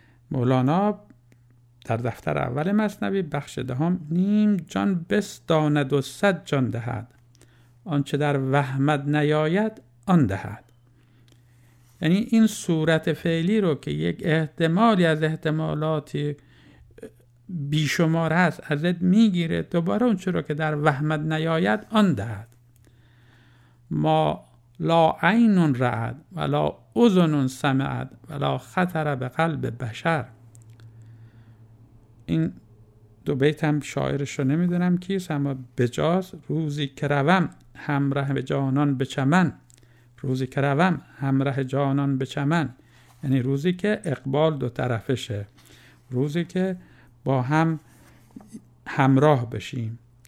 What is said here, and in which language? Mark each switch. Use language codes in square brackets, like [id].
[fa] مولانا در دفتر اول مثنوی بخش دهم: نیم جان بستاند و صد جان دهد، آنچه در وهمت نیاید آن دهد. یعنی این صورت فعلی رو که یک احتمالی از احتمالاتی بیشمار هست ازت میگیره، دوباره اون چرا که در وهمت نیاید آن دهد. [ar] ما لا عین رأت ولا اذن سمعت ولا خطر به قلب بشر. [fa] این دو بیت هم شاعرش رو نمیدونم کیست، اما بجاز: روزی که روم همراه جانان به چمن، روزی که روم همراه جانان به چمن. یعنی روزی که اقبال دو طرفه شه، روزی که با هم همراه بشیم.